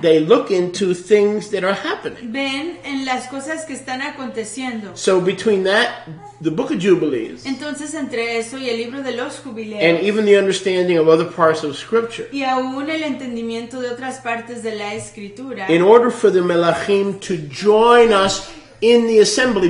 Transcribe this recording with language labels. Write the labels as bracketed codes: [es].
[en] They look into things that are happening. [es] Ven en las cosas que están aconteciendo. [en] So between that, the Book of Jubilees. [es] Entonces entre eso y el libro de los jubileos. [en] And even the understanding of other parts of Scripture. [es] Y aún el entendimiento de otras partes de la Escritura. [en] In order for the Melachim to join us in the assembly.